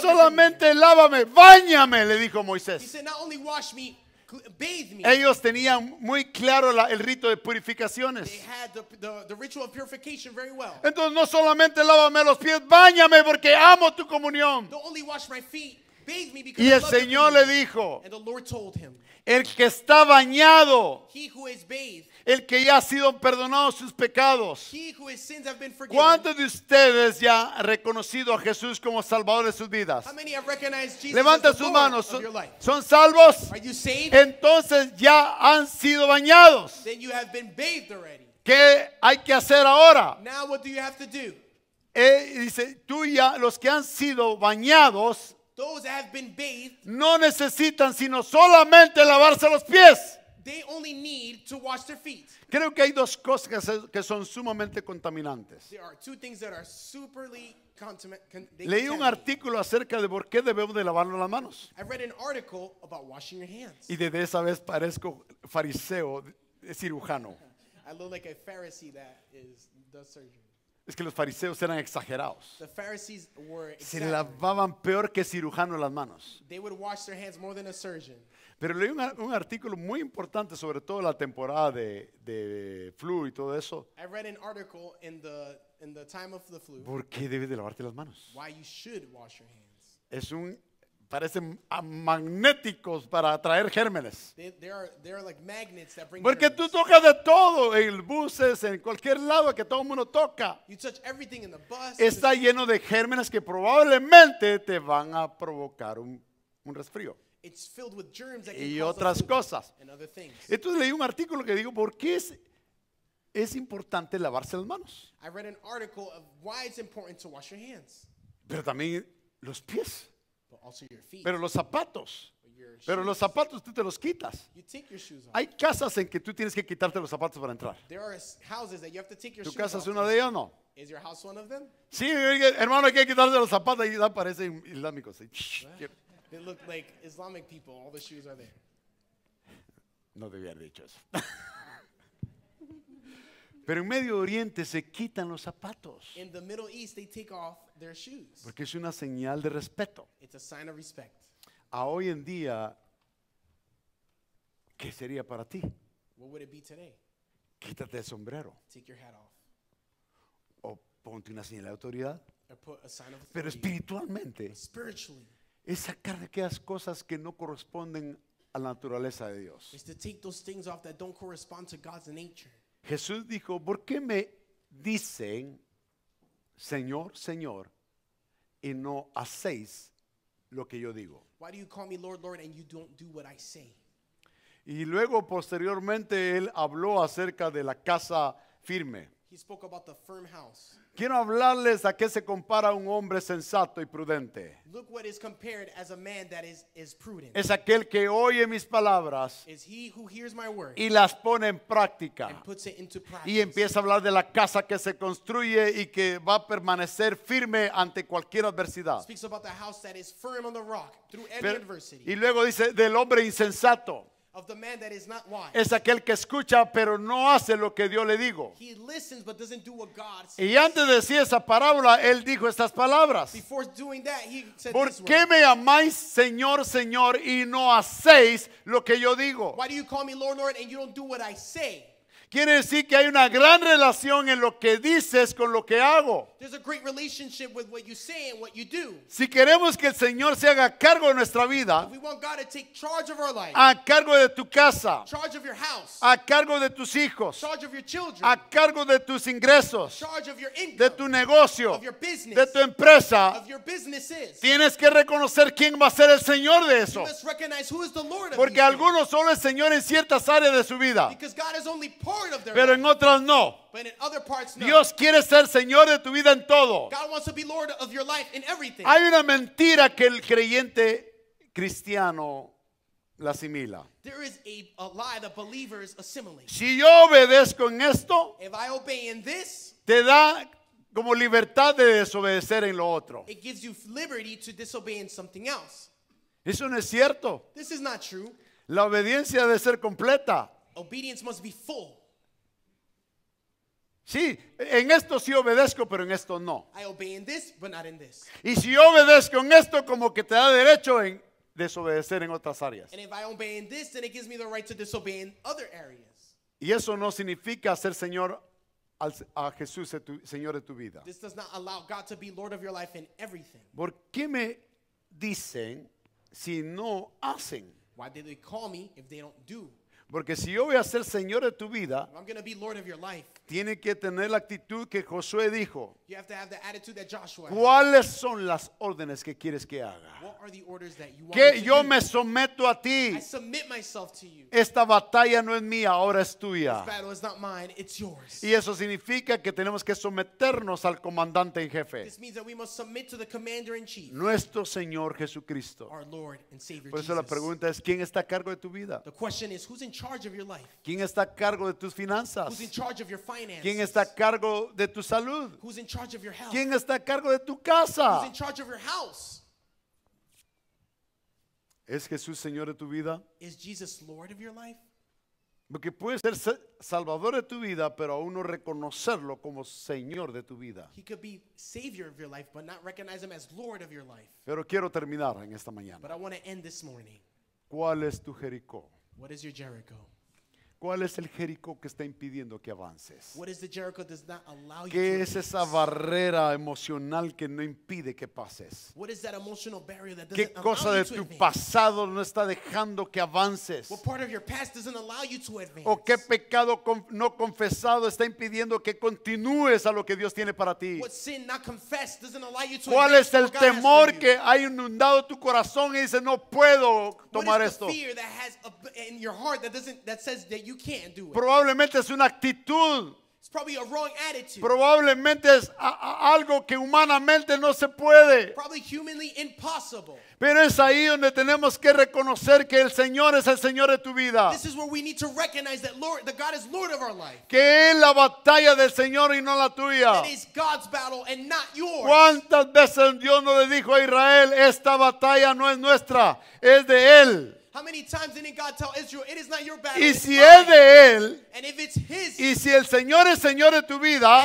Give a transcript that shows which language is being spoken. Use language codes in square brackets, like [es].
[es] solamente lávame, báñame, le dijo Moisés. [en] He said, not only wash me, bathe me. [es] Ellos tenían muy claro el rito de purificaciones. [en] They had the ritual of purification very well. [es] Entonces no solamente lávame los pies, báñame porque amo tu comunión. [en] Don't only wash my feet, bathe me because [es] y el Señor le dijo, [en] and the Lord told him, [es] el que está bañado, [en] he who is bathed, [es] el que ya ha sido perdonado sus pecados. [en] He who his sins have been forgiven. [es] ¿Cuántos de ustedes ya han reconocido a Jesús como Salvador de sus vidas? [en] How many have recognized Jesus? [es] Levanta [en] as the [es] sus manos. [en] Of your life. [es] ¿Son salvos? [en] Are you saved? [es] Entonces ya han sido bañados. [en] Then you have been bathed already. [es] ¿Qué hay que hacer ahora? [en] Now what do you have to do? [es] Dice, tú ya, los que han sido bañados. [en] Those that have been bathed. [es] No necesitan sino solamente lavarse los pies. [en] They only need to wash their feet. [es] Creo que hay dos cosas que son sumamente contaminantes. [en] There are two things that are superly contaminant. [es] Leí un artículo acerca de por qué debemos de lavarnos las manos. [en] I read an article about washing your hands. [es] Y desde esa vez parezco fariseo cirujano. [en] I look like a Pharisee that is the surgeon. [es] Es que los fariseos eran exagerados. [en] The Pharisees were exaggerated. [es] Se lavaban peor que cirujano las manos. [en] They would wash their hands more than a surgeon. [es] Pero leí un artículo muy importante sobre todo la temporada de flu y todo eso. [en] I read an article in the time of the flu. [es] ¿Por qué debes de lavarte las manos? [en] Why you should wash your hands. [es] Es un parecen magnéticos para atraer gérmenes. [en] They are like magnets that bring. [es] Porque [en] germs. [es] Tú tocas de todo en el buses, en cualquier lado que todo el mundo toca. [en] You touch everything in the bus. [es] Está lleno de gérmenes que probablemente te van a provocar un resfrío. [en] It's filled with germs that [es] y otras cosas. [en] And other things. [es] Entonces leí un artículo que digo, ¿por qué es importante lavarse las manos? [en] I read an article of why it's important to wash your hands. [es] Pero también los pies. [en] But also your feet. [es] Pero los zapatos. Pero los zapatos tú te los quitas. [en] You take your shoes off. [es] Hay casas en que tú tienes que quitarte los zapatos para entrar. [en] There are houses that you have to take your [es] ¿tu casa [en] shoes [es] es una de ellas o no? [en] Is your house one of them? [es] Sí, hermano, hay que quitarse los zapatos y aparecen islámicos. [en] They look like Islamic people. All the shoes are there. [es] No debía haber dicho eso. Pero en Medio Oriente se quitan los zapatos. [en] In the Middle East, they take off their shoes. [es] Porque es una señal de respeto. [en] It's a sign of respect. [es] A hoy en día, ¿qué sería para ti? [en] What would it be today? [es] Quítate el sombrero. [en] Take your hat off. [es] O ponte una señal de autoridad. [en] Or put a sign of authority. [es] Pero espiritualmente. [en] Spiritually. [es] Es sacar de aquellas cosas que no corresponden a la naturaleza de Dios. [en] It's to take those things off that don't correspond to God's nature. [es] Jesús dijo, ¿por qué me dicen Señor, Señor y no hacéis lo que yo digo? [en] Why do you call me Lord, Lord and you don't do what I say? [es] Y luego posteriormente él habló acerca de la casa firme. [en] He spoke about the firm house. [es] Quiero hablarles a qué se compara un hombre sensato y prudente. [en] Look what is compared as a man that is prudent. [es] Es aquel que oye mis palabras. [en] Is he who hears my word. [es] Y las pone en práctica. [en] And puts it into practice. [es] Y empieza a hablar de la casa que se construye y que va a permanecer firme ante cualquier adversidad. [en] Speaks about the house that is firm on the rock through any adversity. [es] Y luego dice del hombre insensato. [en] of the man that is not wise. [es] Es aquel que escucha pero no hace lo que Dios le digo. [en] He listens but doesn't do what God says. [es] Y antes de decir esa parábola, él dijo estas palabras. [en] Before doing that, he said, [es] ¿por qué me llamáis Señor, Señor y no hacéis lo que yo digo? [en] Why do you call me Lord, Lord and you don't do what I say? [es] Quiere decir que hay una gran relación en lo que dices con lo que hago. [en] There's a great relationship with what you say and what you do. [es] Si queremos que el Señor se haga cargo de nuestra vida, [en] if we want God to take charge of our life, [es] a cargo de tu casa, [en] charge of your house, [es] a cargo de tus hijos, [en] charge of your children, [es] a cargo de tus ingresos, [en] charge of your income, [es] de tu negocio, [en] of your business, [es] de tu empresa, [en] of your businesses, [es] tienes que reconocer quién va a ser el Señor de eso. [en] You must recognize who is the Lord of these. [es] Porque algunos solo es Señor en ciertas áreas de su vida. [en] Because God is only part. [es] Pero en otras no. [en] But in other parts, no. [es] Dios quiere ser Señor de tu vida en todo. [en] God wants to be Lord of your life in everything. [es] Hay una mentira que el creyente cristiano la asimila. [en] There is a lie that believers assimilate. [es] Si yo obedezco en esto, [en] if I obey in this, [es] te da como libertad de desobedecer en lo otro. [en] It gives you liberty to disobey in something else. [es] Eso no es cierto. [en] This is not true. [es] La obediencia debe ser completa. [en] Obedience must be full. [es] Sí, en esto sí obedezco, pero en esto no. [en] I obey in this, but not in this. [es] Y si obedezco en esto, como que te da derecho en desobedecer en otras áreas. [en] And if I obey in this, then it gives me the right to disobey in other areas. [es] Y eso no significa ser Señor a Jesús, Señor de tu vida. [en] This does not allow God to be Lord of your life in everything. [es] ¿Por qué me dicen si no hacen? [en] Why do they call me if they don't do? [es] Porque si yo voy a ser Señor de tu vida, [en] I'm going to be Lord of your life. [es] Tiene que tener la actitud que Josué dijo. [en] You have to have the attitude that Joshua. [es] ¿Cuáles son las órdenes que quieres que haga? [en] What are the orders that you want [es] que [en] me to [es] yo [en] do? [es] Me someto a ti. [en] I submit myself to you. [es] Esta batalla no es mía, ahora es tuya. [en] This battle is not mine, it's yours. [es] Y eso significa que tenemos que someternos al comandante en jefe. [en] This means that we must submit to the commander in chief. [es] Nuestro Señor Jesucristo. [en] Our Lord and Savior. [es] Por eso la pregunta [en] Jesus. [es] Es, ¿quién está a cargo de tu vida? [en] The question is, who's in charge of your life? [es] ¿Quién está a cargo de tus finanzas? [en] Who's in charge of your finances? [es] ¿Quién está a cargo de tu salud? [en] Who's in charge of your health? [es] ¿Quién está a cargo de tu casa? [en] Who's in charge of your house? [es] ¿Es Jesús Señor de tu vida? [en] Is Jesus Lord of your life? [es] Porque puede ser Salvador de tu vida, pero aún no reconocerlo como Señor de tu vida. [en] He could be Savior of your life, but not recognize him as Lord of your life. [es] Pero quiero terminar en esta mañana. [en] But I want to end this morning. [es] ¿Cuál es tu Jericó? [en] What is your Jericho? [es] ¿Cuál es el Jericó que está impidiendo que avances? [en] What is the Jericho does not allow you [es] ¿qué [en] to [es] es esa barrera emocional que no impide que pases? [en] What is that emotional barrier that doesn't [es] ¿qué cosa [en] allow [es] de [en] you [es] tu [en] advance? [es] Pasado no está dejando que avances? [en] What part of your past doesn't allow you to advance? [es] ¿O qué pecado no confesado está impidiendo que continúes a lo que Dios tiene para ti? [en] What sin not confessed doesn't allow you to [es] ¿cuál [en] advance [es] es el temor que ha inundado tu corazón y dice no puedo tomar esto? [en] What is The fear that has in your heart that says that you can't do it. [es] Probablemente es una actitud. [en] It's probably a wrong attitude. [es] Probablemente es algo que humanamente no se puede. [en] Probably humanly impossible. [es] Pero es ahí donde tenemos que reconocer que el Señor es el Señor de tu vida. [en] This is where we need to recognize that Lord, that God is Lord of our life. [es] Que es la batalla del Señor y no la tuya. [en] It is God's battle and not yours. [es] ¿Cuántas veces Dios no le dijo a Israel, esta batalla no es nuestra, es de Él? [en] How many times didn't God tell Israel, it is not your battle, [es] y si es de Él, [en] and if it's His, [es] y si el Señor es Señor de tu vida,